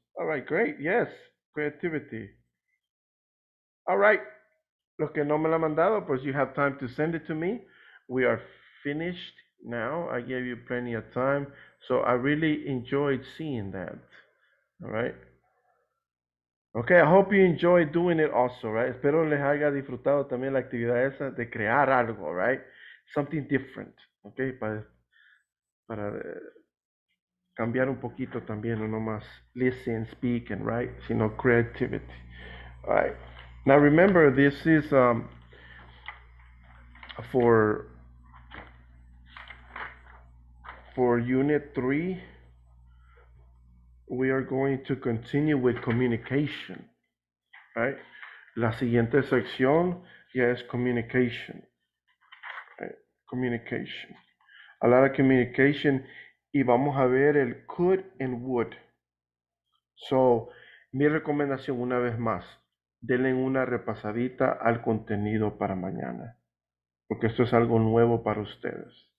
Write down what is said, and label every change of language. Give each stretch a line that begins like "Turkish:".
English: All right, great, yes, creativity. All right,
Spanish: lo que no me la mandado, pues
English: you have time to send it to me. We are finished now. I gave you plenty of time, so I really enjoyed seeing that, all right? Okay, I hope you enjoy doing it also, right?
Spanish: Espero les haya disfrutado también la actividad esa de crear algo, right?
English: Something different,
Spanish: okay? Para cambiar un poquito también, no más
English: listen, speak, and write,
Spanish: sino creativity, all right?
English: Now remember, this is for unit 3. We are going to continue with communication, right?
Spanish: La siguiente sección ya es communication, right? Communication.
English: A lot of communication,
Spanish: y vamos a ver el
English: could and would.
Spanish: So, mi recomendación una vez más, denle una repasadita al contenido para mañana, porque esto es algo nuevo para ustedes.